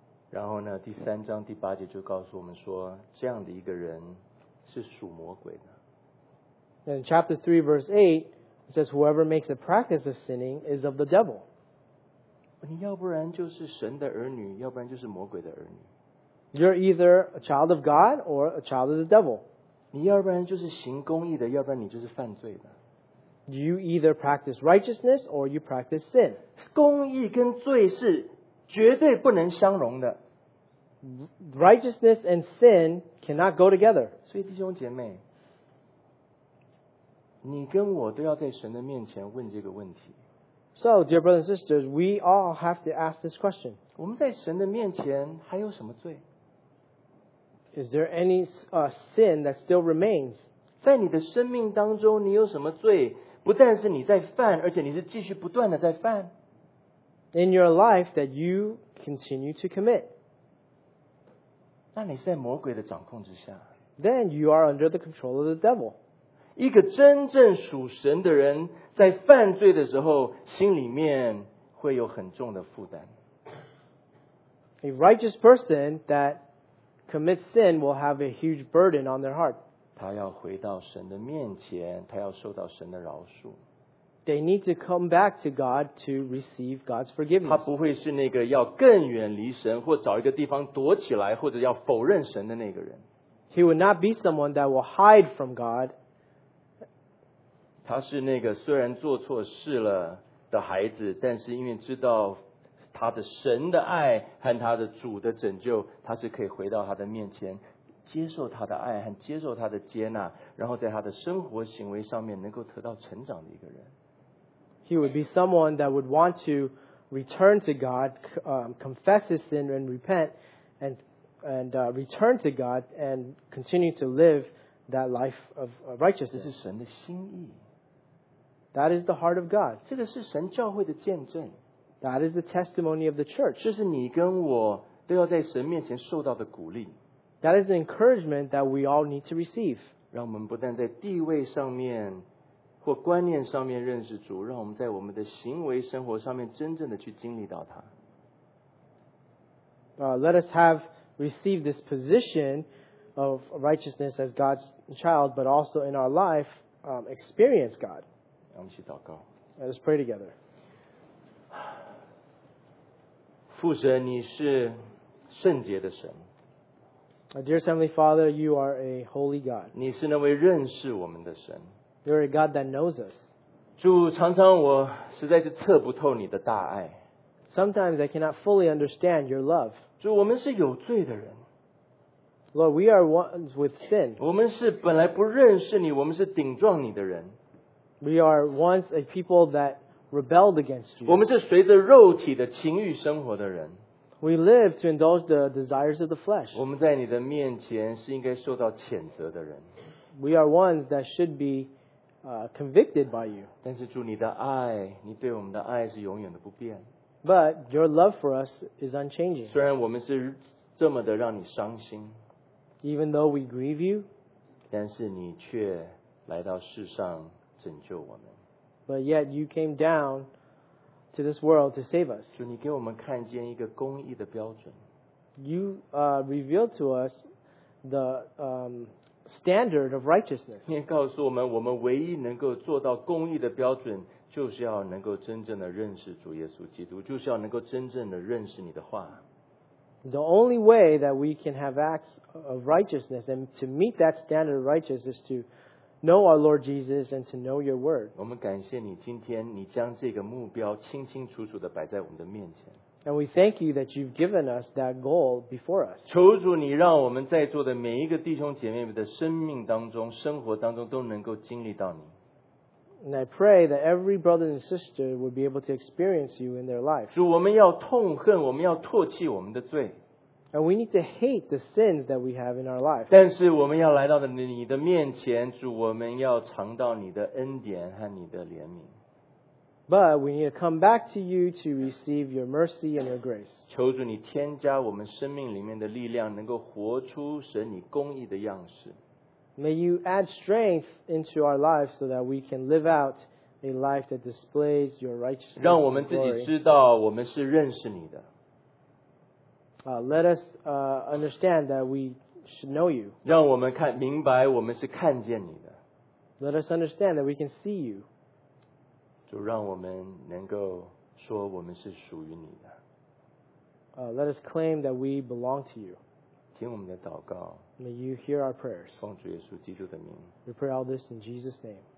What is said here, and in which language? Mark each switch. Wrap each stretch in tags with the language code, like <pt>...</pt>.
<zh>然后呢，第三章第八节就告诉我们说，这样的一个人是属魔鬼的。</zh> <en>And in chapter 3 verse 8, it says, whoever makes a practice of sinning is of the devil.</en> <zh>你要不然就是神的儿女，要不然就是魔鬼的儿女。</zh> <en>You're either a child of God or a child of the devil.</en> <zh>你要不然就是行公义的，要不然你就是犯罪的。</zh> <en>You either practice righteousness or you practice sin.</en> <zh>公义跟罪是绝对不能相容的。</zh> <en>Righteousness and sin cannot go together.</en> <zh>所以弟兄姐妹，你跟我都要在神的面前问这个问题。</zh> <en>So, dear brothers and sisters, we all have to ask this question.</en> <zh>我们在神的面前还有什么罪？</zh> <en>Is there any sin that still remains?</en> <zh>在你的生命当中，你有什么罪？不但是你在犯，而且你是继续不断的在犯。</zh> <en>In your life that you continue to commit.</en> <zh>那你是在魔鬼的掌控之下。</zh> <en>Then you are under the control of the devil.</en> <zh>一个真正属神的人，在犯罪的时候，心里面会有很重的负担。</zh> <en>A righteous person thatCommit sin will have a huge burden on their heart.</en> <zh>他要回到神的面前，他要受到神的饶恕。</zh> <en>They need to come back to God to receive God's forgiveness.</en> <zh>他不会是那个要更远离神，或找一个地方躲起来，或者要否认神的那个人。</zh> <en>He would not be someone that will hide from God.</en> <zh>他是那个虽然做错事了的孩子，但是因为知道他的神的爱和他的主的拯救，他是可以回到他的面前，接受他的爱和接受他的接纳，然后在他的生活行为上面能够得到成长的一个人。</zh> <en>He would be someone that would want to return to God, confess his sin and repent, return to God and continue to live that life of righteousness.</en> <zh>这是神的心意。</zh> <en>That is the heart of God.</en> <zh>这个是神教会的见证。</zh> <en>That is the testimony of the church.</en> <zh>就是你跟我都要在神面前受到的鼓励。</zh> <en>That is the encouragement that we all need to receive.</en> <zh>让我们不但在地位上面或观念上面认识主，让我们在我们的行为生活上面真正的去经历到他。</zh> <en>Let us have received this position of righteousness as God's child, but also in our life, experience God.</en> <zh>让我们一起祷告。</zh> <en>Let us pray together.</en> <zh>父神，你是圣洁的神。</zh> <en>Dear Heavenly Father, you are a holy God.</en> <zh>你是那位认识我们的神。</zh> <en>You are a God that knows us.</en> <zh>主，常常我实在是测不透你的大爱。</zh> <en>Sometimes I cannot fully understand your love.</en> <zh>主，我们是有罪的人。</zh> <en>Lord, we are ones with sin.</en> <zh>我们是本来不认识你，我们是顶撞你的人。</zh> <en>We are once a people that. Rebelled against you.</en> <zh>我们是随着肉体的情欲生活的人。</zh> <en>We live to indulge the desires of the flesh.</en> <zh>我们在你的面前是应该受到谴责的人。</zh> <en>We are ones that should be convicted by you.</en> <zh>但是主，你的爱，你对我们的爱是永远的不变。</zh> <en>But your love for us is unchanging.</en> <zh>虽然我们是这么的让你伤心。</zh> <en>Even though we grieve you.</en> <zh>但是你却来到世上拯救我们。</zh> <en>But yet you came down to this world to save us.</en> <zh>主，你给我们看见一个公义的标准。</zh> <en>you reveal to us the standard of righteousness.</en> <zh>你告诉我们，我们唯一能够做到公义的标准，就是要能够真正的认识主耶稣基督，就是要能够真正的认识你的话。</zh> <en>The only way that we can have acts of righteousness and to meet that standard of righteousness is to know our Lord Jesus and to know your word.</en> <zh>我们感谢你今天你将这个目标清清楚楚地摆在我们的面前。</zh> <en>And we thank you that you've given us that goal before us.</en> <zh>求主你让我们在座的每一个弟兄姐妹们的生命当中、生活当中都能够经历到你。</zh> <en>And I pray that every brother and sister would be able to experience you in their life.</en> <zh>主，我们要痛恨，我们要唾弃我们的罪。</zh> <en>And we need to hate the sins that we have in our life.</en> <zh>但是我们要来到你的面前，主，我们要尝到你的恩典和你的怜悯。</zh> <en>But we need to come back to you to receive your mercy and your grace.</en> <zh>求主你添加我们生命里面的力量，能够活出神你公义的样式。</zh> <en>May you add strength into our lives so that we can live out a life that displays your righteousness and glory.</en> <zh>让我们自己知道我们是认识你的。</zh> <en>Let us understand that we should know you.</en> <zh>让我们看明白我们是看见你的。</zh> <en>Let us understand that we can see you.</en> <zh>主，让我们能够说我们是属于你的。</zh> <en>Let us claim that we belong to you.</en> <zh>听我们的祷告。</zh> <en>May you hear our prayers.</en> <zh>奉主耶稣基督的名。</zh> <en>We pray all this in Jesus' name.</en>